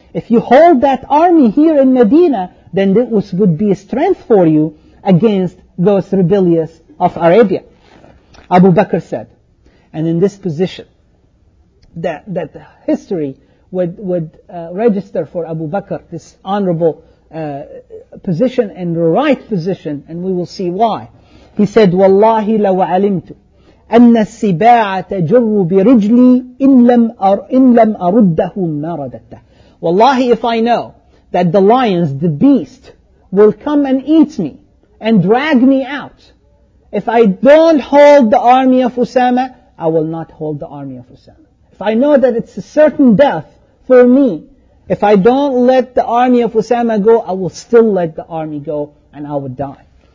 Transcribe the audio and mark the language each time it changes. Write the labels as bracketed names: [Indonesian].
[English] If you hold that army here in Medina, then this would be a strength for you against those rebellious of Arabia. Abu Bakr said, and in this position, that history would register for Abu Bakr, this honorable position and the right position, and we will see why. He said, [Arabic] وَاللَّهِ لَوْ عَلِمْتُ أَنَّ السِّبَاعَ تَجُرُّ بِرِجْلِي إِنْ لَمْ أَرُدَّهُ مَا رَدَتَّهُ. [English] Wallahi, if I know that the lions, the beast, will come and eat me and drag me out, if I don't hold the army of Usama, I will not hold the army of Usama. If I know that it's a certain death for me, if I don't let the army of Usama go, I will still let the army go and I will die.